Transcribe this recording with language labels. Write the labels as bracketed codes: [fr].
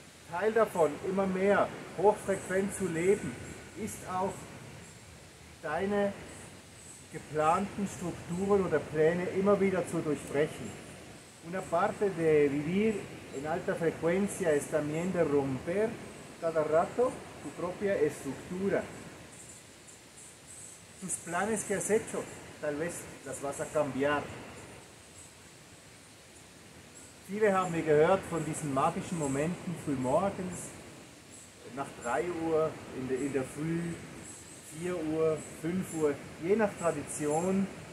[de] Teil davon, immer mehr hochfrequent zu leben, ist auch deine geplanten Strukturen oder Pläne immer wieder zu durchbrechen. [es] Una parte de vivir en alta frecuencia es también de romper cada rato tu propia estructura. Tus planes que has hecho, tal vez las vas a cambiar. [de] Viele haben mir gehört von diesen magischen Momenten früh morgens, nach 3 Uhr, in der Früh, 4 Uhr, 5 Uhr, je nach Tradition.